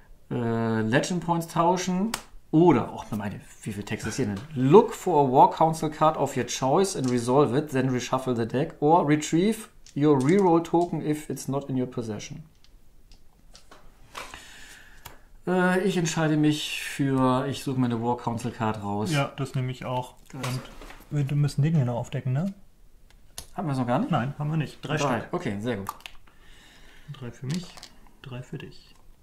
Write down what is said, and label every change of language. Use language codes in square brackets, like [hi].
[de] Legend Points tauschen oder, auch oh, meine, wie viel Text ist hier denn? [en] Look for a War Council Card of your choice and resolve it, then reshuffle the deck or retrieve your reroll token if it's not in your possession. [de] Ich entscheide mich für, ich suche mir eine War Council Card raus. Ja, das nehme ich auch. Und wir müssen den hier noch aufdecken, ne? Haben wir es noch gar nicht? Nein, haben wir nicht. Drei Stück. Okay, sehr gut. Drei für mich, drei für dich.